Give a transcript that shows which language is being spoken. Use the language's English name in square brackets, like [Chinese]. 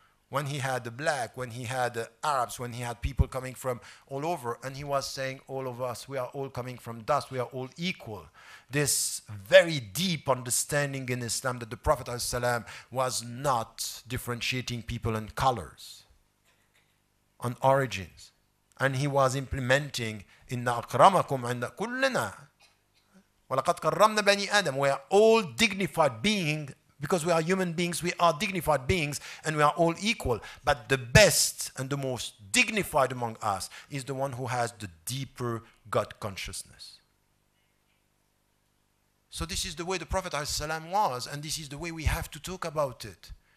[English] When he had the black, when he had the Arabs, when he had people coming from all over, and he was saying, all of us, we are all coming from dust, we are all equal. This very deep understanding in Islam that the Prophet ﷺ was not differentiating people on colors, on origins. And he was implementing, [Arabic] إِنَّ أَكْرَمَكُمْ عِنْدَ كُلِّنَا وَلَقَدْ كَرَّمْنَا بَنِي آدَمَ. [English] We are all dignified beings. Because we are human beings, we are dignified beings, and we are all equal. But the best and the most dignified among us is the one who has the deeper God consciousness. So this is the way the Prophet ﷺ was, and this is the way we have to talk about it.